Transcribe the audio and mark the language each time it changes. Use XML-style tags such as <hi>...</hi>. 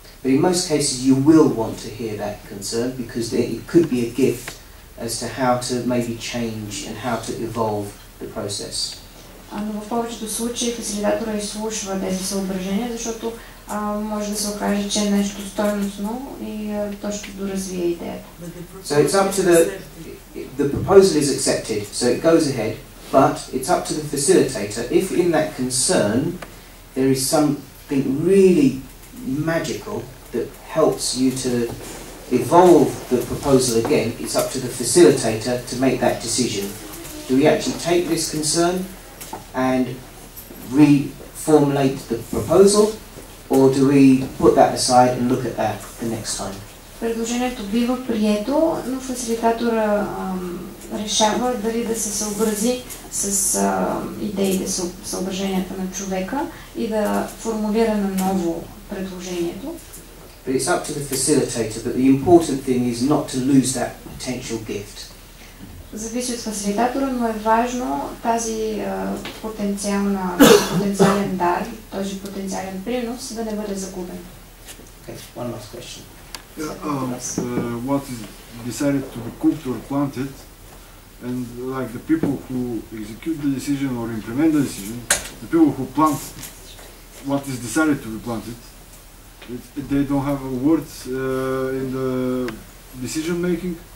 <en>But in most cases you will want to hear that concern because it could be a gift as to how to maybe change and how to evolve the process.</en> <bg>Но в повечето случаи фасилитатора изслушва тези съображения, защото може да се окаже, че е нещо стойностно и то ще доразвие идеята.</bg> <en>So it's up to the proposal is accepted, so it goes ahead, but it's up to the facilitator. If in that concern there is something really magical that helps you to evolve the proposal again, it's up to the facilitator to make that decision. Do we actually take this concern and reformulate the proposal, or do we put that aside and look at that the next time?</en> <bg>предложението бива прието, но фасилитатора решава дали да се съобрази с идеите, съображенията на човека и да формулира на ново предложението.</bg> <en>But it's up to the facilitator, but the important thing is not to lose that potential gift.</en> <bg>Зависи от фасилитатора, но е важно тази потенциален дар, този потенциален принос да не бъде загубен.</bg> <en>Okay, one last question. Yeah, what is decided to be cooked or planted, and like the people who execute the decision or implement the decision, the people who plant what is decided to be planted, they don't have a word in the decision making?</en>